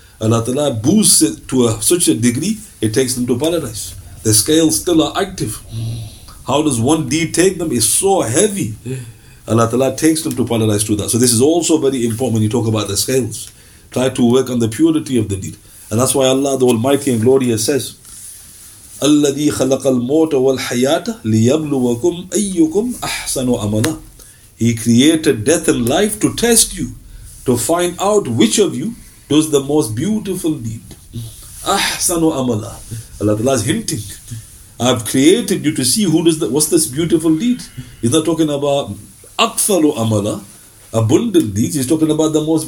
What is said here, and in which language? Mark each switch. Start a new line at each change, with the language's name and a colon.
English: Allah Ta'ala boosts it to such a degree, it takes them to paradise. The scales still are active. How does one deed take them? It's so heavy. Allah Ta'ala takes them to paradise through that. So this is also very important when you talk about the scales. Try to work on the purity of the deed. And that's why Allah, the Almighty and Glorious, says,
Arabic: الذي خلق الموت والحياة ليبلوكم أيكم أحسن عملا.
English: He created death and life to test you, to find out which of you does the most beautiful deed.
Arabic: أحسن عملا.
English: Allah Ta'ala is hinting, I've created you to see who does the, what's this beautiful deed. He's not talking about
Arabic: أكثر عملا,
English: abundant deeds. He's talking about the most.